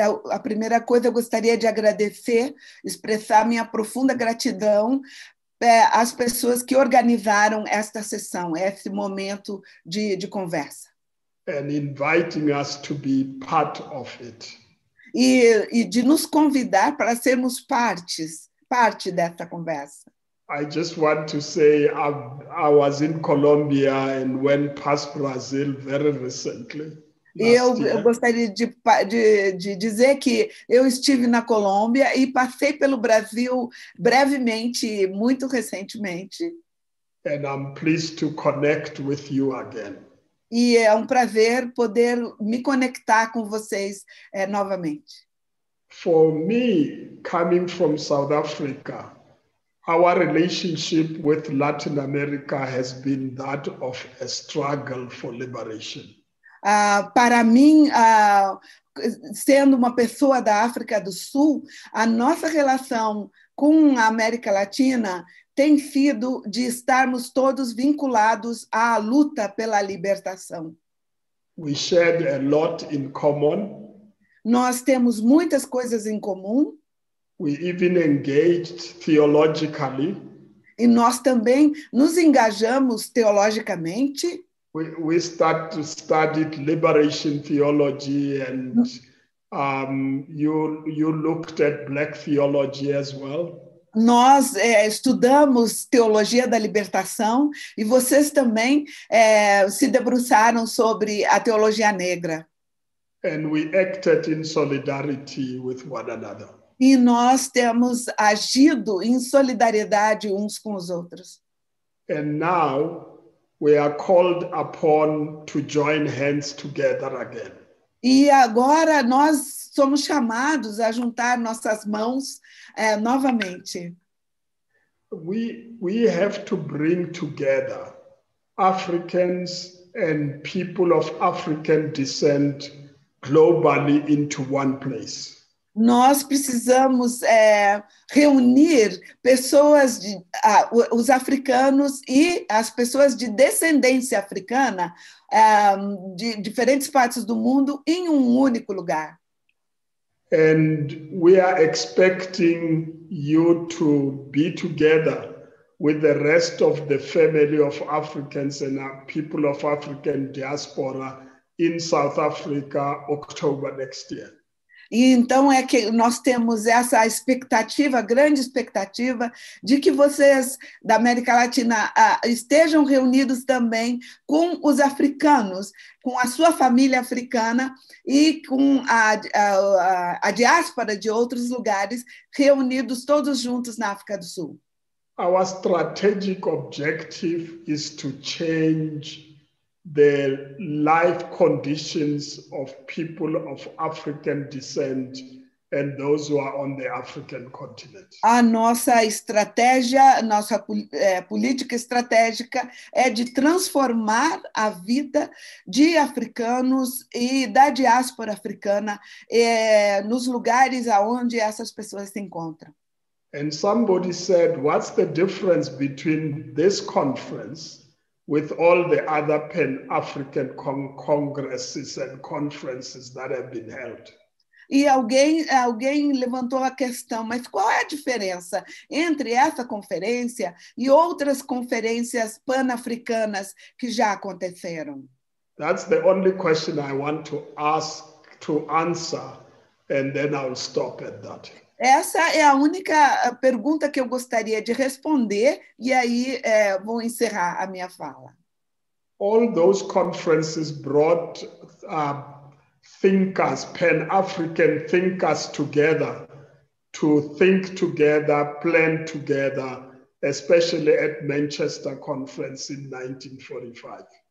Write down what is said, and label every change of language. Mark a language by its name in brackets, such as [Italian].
[Portuguese] A primeira coisa, eu gostaria de agradecer, expressar minha profunda gratidão às pessoas que organizaram esta sessão, esse momento de conversa. [English] And inviting us to be part of it. [Portuguese] E de nos convidar para sermos parte dessa conversa. [English] I just want to say I was in Colombia and went past Brazil very recently. [Portuguese] Eu gostaria de dizer que eu estive na Colômbia e passei pelo Brasil brevemente, muito recentemente. [English] And I'm pleased to connect with you again. [Portuguese] E é um prazer poder me conectar com vocês novamente. [English] For me, coming from South Africa, our relationship with Latin America has been that of a struggle for liberation. [Portuguese] Para mim, sendo uma pessoa da África do Sul, a nossa relação com a América Latina tem sido de estarmos todos vinculados à luta pela libertação. [English] We shared a lot in common. [Portuguese] Nós temos muitas coisas em comum. [English] We even engaged theologically. [Portuguese] E nós também nos engajamos teologicamente. [English] We studied liberation theology and you looked at black theology as well. [Portuguese] Nós estudamos teologia da libertação e vocês também se debruçaram sobre a teologia negra. [English] And we acted in solidarity with one another. [Portuguese] E nós temos agido em solidariedade uns com os outros. [English] And now we are called upon to join hands together again. [Portuguese] E agora nós somos chamados a juntar nossas mãos novamente. [English] We have to bring together Africans and people of African descent globally into one place. [Portuguese] Nós precisamos reunir pessoas, os africanos e as pessoas de descendência africana de diferentes partes do mundo em um único lugar. [English] And we are expecting you to be together with the rest of the family of Africans and people of African diaspora in South Africa October next year. [Portuguese] E então é que nós temos essa expectativa, grande expectativa, de que vocês da América Latina estejam reunidos também com os africanos, com a sua família africana e com a diáspora de outros lugares, reunidos todos juntos na África do Sul. [English] Our strategic objective is to change the life conditions of people of African descent and those who are on the African continent. [Portuguese] A nossa estratégia, nossa política estratégica é de transformar a vida de africanos e da diáspora africana nos lugares aonde essas pessoas se encontram. [English] And somebody said, what's the difference between this conference with all the other Pan-African congresses and conferences that have been held? [Portuguese] E alguém levantou a questão, mas qual é a diferença entre essa conferência e outras conferências pan-africanas que já aconteceram? [English] That's the only question I want to ask to answer, and then I'll stop at that. [Portuguese] Essa é a única pergunta que eu gostaria de responder e aí vou encerrar a minha fala. [English] All those conferences brought thinkers, Pan-African thinkers together to think together, plan together, especially at Manchester Conference in 1945.